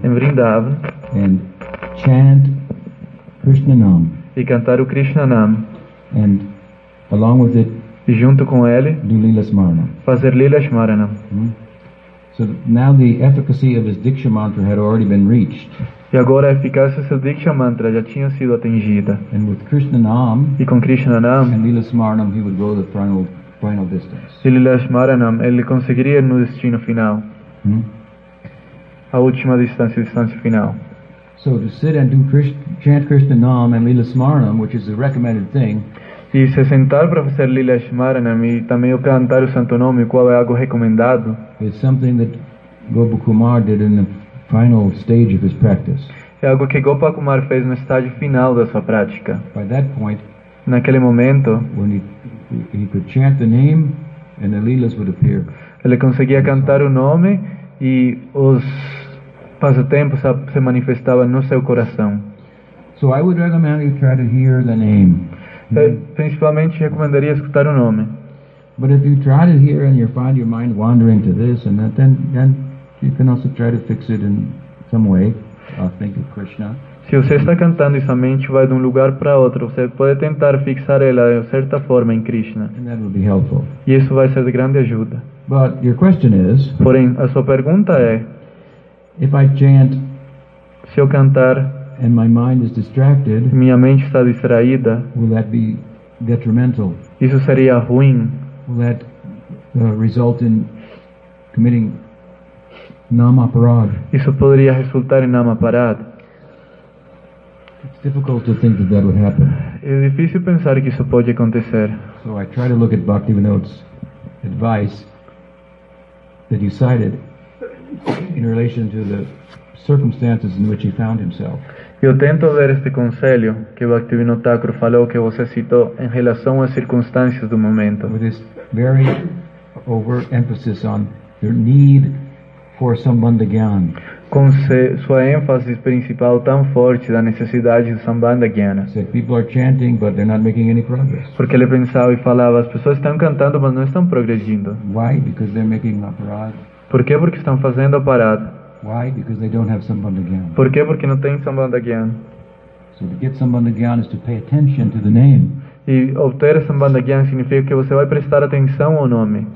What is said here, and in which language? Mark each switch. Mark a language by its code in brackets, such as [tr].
[pt] Em Vrindavan. [en] And chant Krishna Nam. [pt] E cantar o Krishna Nam. [en] And along with it. [pt] E junto com ele. [en] Do Lila Smarana. [pt] Fazer Lila Smarana. Mm-hmm. [en] So now the efficacy of his Diksha Mantra had already been reached. [pt] E agora a eficácia do Diksha Mantra já tinha sido atingida. [en] And with Krishna Nam. [pt] E com Krishna Nam. [en] And Lila Smarana, he would go the final distance. [pt] E Lila Smarana, ele conseguiria ir no destino final. Hmm? A última distância, a distância final. [en] So to sit and do chant Krishna Nam and Lila Smaranam, which is the recommended thing. [pt] E se sentar para fazer Lila Smaranam e também o cantar o Santo Nome, qual é algo recomendado? [en] It's something that Gopakumar did in the final stage of his practice. [pt] É algo que Gopakumar fez no estágio final da sua prática. [en] By that point, [pt] naquele momento, [en] when he could chant the name and the lilas would appear. [pt] Ele conseguia cantar o nome e os passatempos se manifestavam no seu coração. [en] So I would recommend you try to hear the name. [pt] Principalmente recomendaria escutar o nome. [en] But if you try to hear and you find your mind wandering to this and that, then you can also try to fix it in some way. Think of Krishna. [pt] Se você está cantando e sua mente vai de um lugar para outro, você pode tentar fixar ela de certa forma em Krishna. [en] And that will be helpful. [pt] E isso vai ser de grande ajuda. [en] But your question is, [pt] porém, a sua pergunta é, [en] if I chant, [pt] se eu cantar, [en] and my mind is distracted, [pt] minha mente está distraída, [en] will that be detrimental? [pt] Isso seria ruim? [en] Will that result in committing namaparad? [pt] Isso poderia resultar em namaparad? [en] It's difficult to think that would happen. [pt] É difícil pensar que isso pode acontecer. [en] So I try to look at Bhaktivinoda's advice that you cited in relation to the circumstances in which he found himself. [pt] Eu tento ver este conselho que o Bhaktivinoda Thakur falou que você citou em relação às circunstâncias do momento. [en] With this very overt emphasis on your need for sambandhagyan. [pt] Com sua ênfase principal tão forte da necessidade do sambandhagyana. [en] So people are chanting, but they're not making any progress. [pt] Porque ele pensava e falava, as pessoas estão cantando, mas não estão progredindo. [en] Why? Because they're making an aparad. [pt] Por quê? Porque estão fazendo a parada. [en] Why? Because they don't have sambandhagyana. [pt] Por quê? Porque não tem sambandhagyana. [en] So to get sambandhagyana is to pay attention to the name. [pt] E obter Sambandha Gyan significa que você vai prestar atenção ao nome.